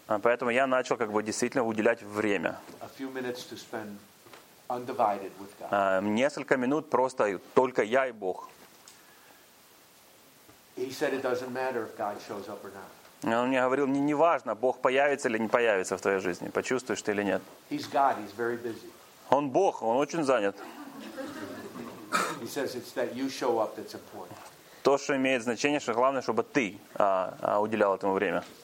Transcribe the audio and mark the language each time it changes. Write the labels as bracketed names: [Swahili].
[Russian] поэтому я начал как бы действительно уделять время. [English] A few minutes to spend undivided with God. [Russian] Несколько минут просто только я и Бог. [English] He said it doesn't matter if God shows up or not. [Russian] Он мне говорил, не важно, Бог появится или не появится в твоей жизни, почувствуешь ты или нет. [English] He's God, he's very busy. [Russian] Он Бог, он очень занят. [English] He says it's that you show up that's important. [Russian] То, что имеет значение, что главное, чтобы ты уделял этому время.